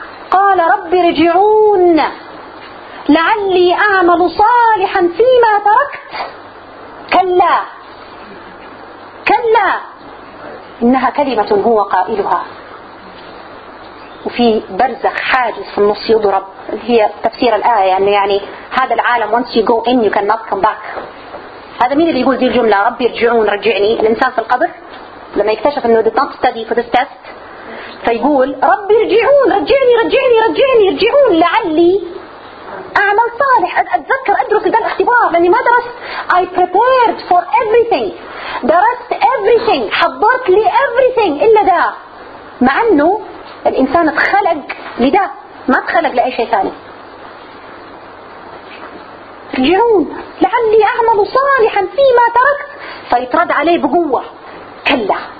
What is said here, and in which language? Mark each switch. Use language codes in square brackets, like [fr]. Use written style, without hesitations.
[ar] قال ربي رجعون لعلي أعمل صالحا فيما تركت. كلا إنها كلمة هو قائلها وفي برزخ حاجز في النص يضرب. هي تفسير الآية يعني هذا العالم [en] once you go in you cannot come back. [ar] هذا مين اللي يقول ذي الجملة ربي رجعون رجعني؟ الإنسان في القبر لما يكتشف أنه [en] did not study for this test [ar] فيقول ربي رجعون رجعني رجعون لعلي أعمل صالح. أتذكر أدرس ده الاختبار لأني ما درست. [en] I prepared for everything. [ar] درست everything. حضرت لي everything إلا ده. مع أنه الإنسان اتخلق لده ما اتخلق لأي شيء ثاني. رجعون لعلي أعمل صالحا فيما تركت. فيترد عليه بقوة كلا.